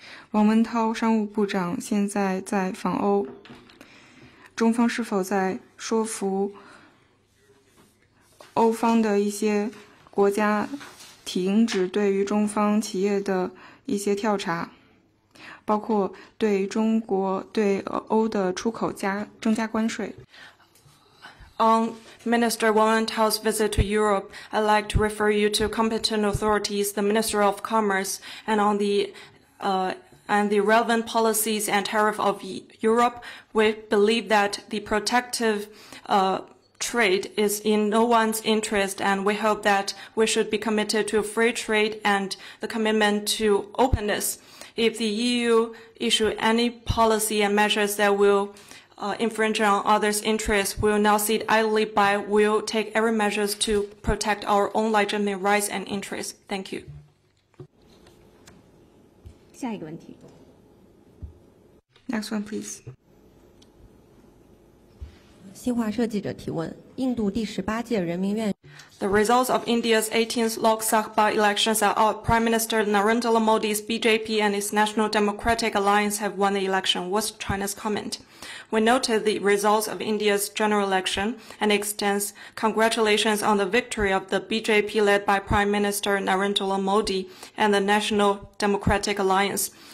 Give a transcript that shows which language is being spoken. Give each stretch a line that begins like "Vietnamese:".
Chinese: 王文涛商务部长现在在访欧。中方是否在说服欧方的一些国家停止对于中方企业的一些调查，包括对中国对欧的出口增加关税。
English: On Minister Wang Wentao's visit to Europe, I'd like to refer you to competent authorities, the Minister of Commerce, and on the relevant policies and tariff of Europe. We believe that the protective trade is in no one's interest, and we hope that we should be committed to free trade and the commitment to openness. If the EU issue any policy and measures that will infringe on others' interests, we will not sit idly by. We will take every measures to protect our own legitimate rights and interests. Thank you.
Chinese: 下一个问题。
English: Next one, please.
Chinese: 新华社记者提问：印度第十八届人民院
English: ，The results of India's 18th Lok Sabha elections are out. Prime Minister Narendra Modi's BJP and its National Democratic Alliance have won the election. What's China's comment? We noted the results of India's general election and extends congratulations on the victory of the BJP led by Prime Minister Narendra Modi and the National Democratic Alliance.